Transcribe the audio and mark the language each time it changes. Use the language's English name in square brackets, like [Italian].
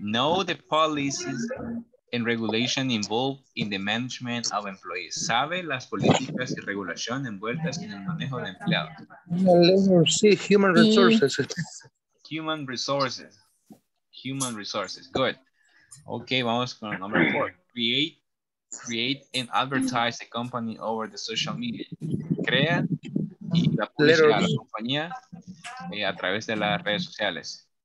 [English] Know the policies and regulation involved in the management of employees. [Spanish] ¿Sabe las políticas y regulación envueltas en el manejo de empleados? [English] Letter C. Human resources. Human resources. Human resources. Good. [Spanish] Okay, vamos con el [English] number four. Create and advertise the company over the social media. [Spanish] Crea y la publicidad de la compañía a través de las redes sociales.